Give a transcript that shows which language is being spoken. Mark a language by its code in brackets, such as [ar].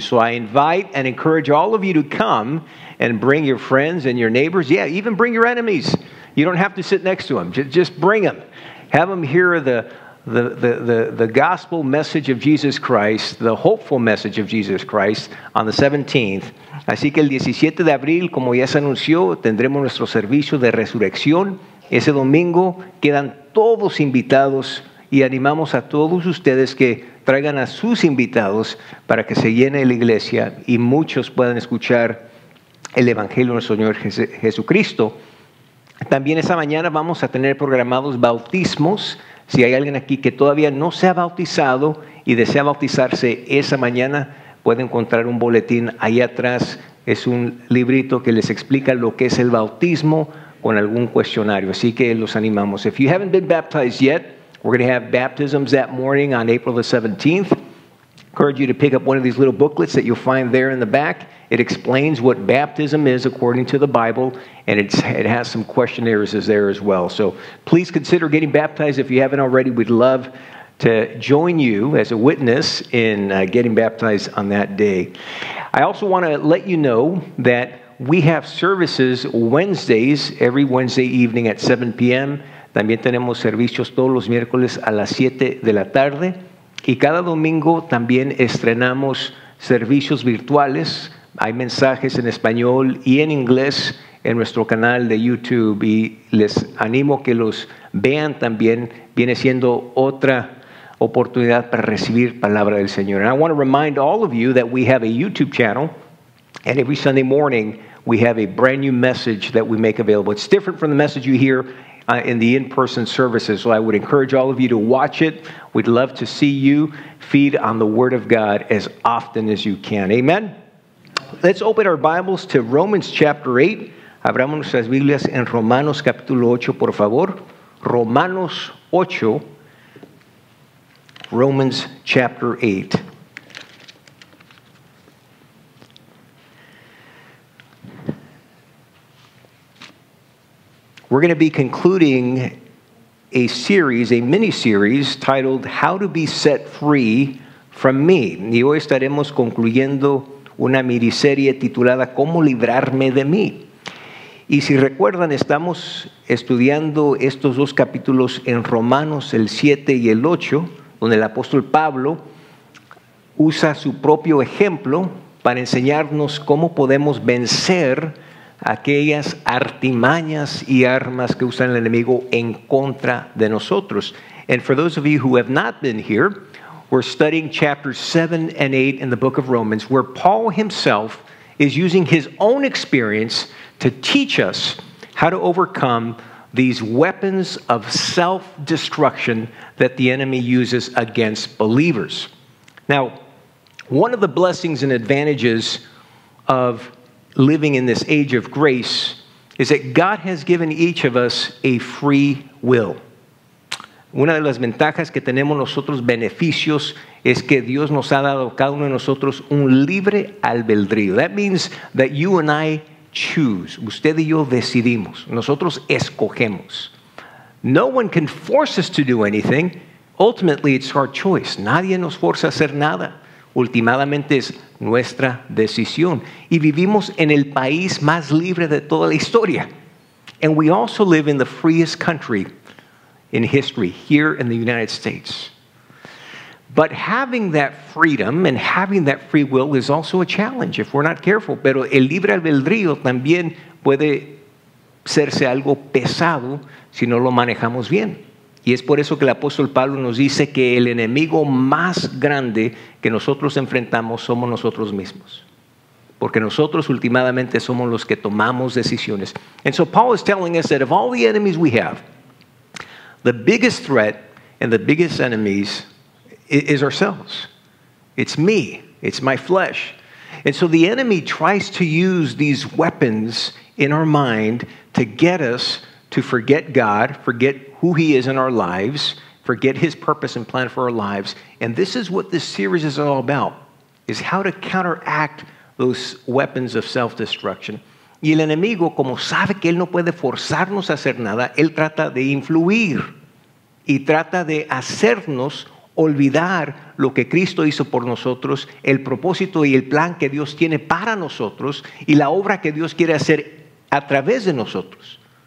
[en] So I invite and encourage all of you to come and bring your friends and your neighbors. Yeah, even bring your enemies. You don't have to sit next to them. Just bring them. Have them hear the gospel message of Jesus Christ, the hopeful message of Jesus Christ on the 17th. [es] Así que el 17 de abril, como ya se anunció, tendremos nuestro servicio de resurrección. Ese domingo quedan todos invitados. Y animamos a todos ustedes que traigan a sus invitados para que se llene la iglesia y muchos puedan escuchar el Evangelio del Señor Jesucristo. También esa mañana vamos a tener programados bautismos. Si hay alguien aquí que todavía no se ha bautizado y desea bautizarse esa mañana, puede encontrar un boletín ahí atrás. Es un librito que les explica lo que es el bautismo con algún cuestionario. Así que los animamos. [en] If you haven't been baptized yet, we're going to have baptisms that morning on April the 17th. I encourage you to pick up one of these little booklets that you'll find there in the back. It explains what baptism is according to the Bible, and it has some questionnaires there as well. So please consider getting baptized if you haven't already. We'd love to join you as a witness in getting baptized on that day. I also want to let you know that we have services Wednesdays, every Wednesday evening at 7 p.m., [es] también tenemos servicios todos los miércoles a las 7 de la tarde. Y cada domingo también estrenamos servicios virtuales. Hay mensajes en español y en inglés en nuestro canal de YouTube. Y les animo que los vean también. Viene siendo otra oportunidad para recibir palabra del Señor. [en] And I want to remind all of you that we have a YouTube channel. And every Sunday morning, we have a brand new message that we make available. It's different from the message you hear in the in-person services. So I would encourage all of you to watch it. We'd love to see you feed on the Word of God as often as you can. Amen? Let's open our Bibles to Romans chapter 8. [es] Abramos nuestras Biblias en Romanos capítulo 8, por favor. Romanos 8. [en] Romans chapter 8. We're going to be concluding a series, a mini-series, titled How to Be Set Free from Me. [es] Y hoy estaremos concluyendo una miniserie titulada Cómo Librarme de Mí. Y si recuerdan, estamos estudiando estos dos capítulos en Romanos, el 7 y el 8, donde el apóstol Pablo usa su propio ejemplo para enseñarnos cómo podemos vencer aquellas artimañas y armas que usa el enemigo en contra de nosotros. [en] And for those of you who have not been here, we're studying chapters 7 and 8 in the book of Romans, where Paul himself is using his own experience to teach us how to overcome these weapons of self-destruction that the enemy uses against believers. Now, one of the blessings and advantages of living in this age of grace is that God has given each of us a free will. [es] Una de las ventajas que tenemos nosotros, beneficios, es que Dios nos ha dado cada uno de nosotros un libre albedrío. [en] That means that you and I choose. [es] Usted y yo decidimos. Nosotros escogemos. [en] No one can force us to do anything. Ultimately, it's our choice. [es] Nadie nos forza a hacer nada. Ultimadamente es nuestra decisión. Y vivimos en el país más libre de toda la historia. [en] And we also live in the freest country in history, here in the United States. But having that freedom and having that free will is also a challenge if we're not careful. [es] Pero el libre albedrío también puede serse algo pesado si no lo manejamos bien. Y es por eso que el apóstol Pablo nos dice que el enemigo más grande que nosotros enfrentamos somos nosotros mismos. Porque nosotros últimamente somos los que tomamos decisiones. [en] And so Paul is telling us that of all the enemies we have, the biggest threat and the biggest enemies is ourselves. It's me. It's my flesh. And so the enemy tries to use these weapons in our mind to get us to forget God, forget who he is in our lives, forget his purpose and plan for our lives. And this is what this series is all about, is how to counteract those weapons of self-destruction. [es] Y el enemigo, como sabe que él no puede forzarnos a hacer nada, él trata de influir y trata de hacernos olvidar lo que Cristo hizo por nosotros, el propósito y el plan que Dios tiene para nosotros y la obra que Dios quiere hacer a través de nosotros.